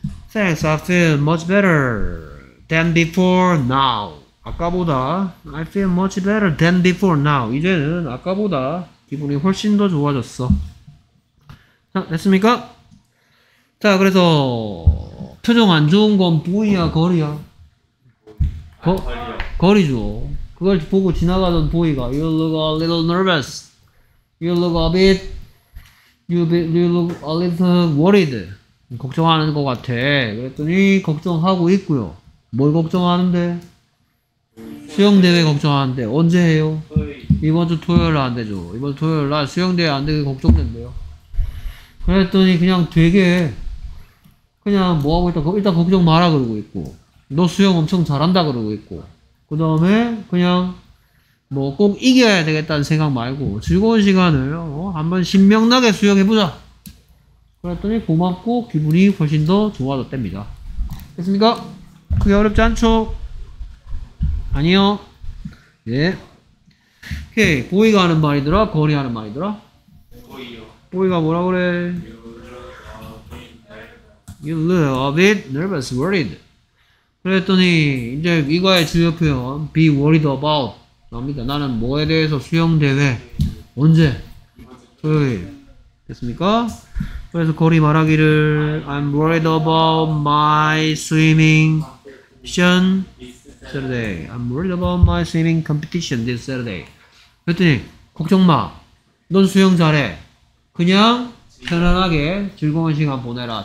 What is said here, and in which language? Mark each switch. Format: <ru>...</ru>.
<en>Thanks, I feel much better than before now.</en> <ko>아까보다,</ko> <en>I feel much better than before now.</en> <ko>이제는 아까보다 기분이 훨씬 더 좋아졌어. 자, 됐습니까? 자, 그래서, 표정 안 좋은 건 보이야, 거리야? 거리죠. 그걸 보고 지나가던 보이가,</ko> <en>You look a little nervous. You look a bit, you look a little worried.</en> <ko>걱정하는 것 같아. 그랬더니, 걱정하고 있고요. 뭘 걱정하는데? 수영대회 걱정하는데, 언제 해요? 이번 주 토요일 안 되죠. 이번 주 토요일 날 수영대회 안 되게 걱정된대요. 그랬더니, 그냥 되게, 그냥 뭐하고 있다, 일단 걱정 마라 그러고 있고, 너 수영 엄청 잘한다 그러고 있고, 그 다음에 그냥 뭐 꼭 이겨야 되겠다는 생각 말고 즐거운 시간을 한번 신명나게 수영해보자 그랬더니 고맙고 기분이 훨씬 더 좋아졌답니다. 됐습니까? 그게 어렵지 않죠? 아니요. 예. 오케이. 보이가 하는 말이더라? 거리 하는 말이더라? 보이요. 보이가 뭐라 그래?</ko> <en>You look a bit nervous, worried.</en> <ko>그랬더니 이제 이거의 주요 표현</ko> <en>Be worried about</en> <ko>나옵니다. 나는 뭐에 대해서 수영대회 언제? 토요일. 됐습니까? 그래서 거리 말하기를</ko> <en>I'm worried about my swimming competition Saturday. I'm worried about my swimming competition this Saturday.</en> <ko>그랬더니 걱정 마. 넌 수영 잘해. 그냥 편안하게 즐거운 시간 보내라.</ko>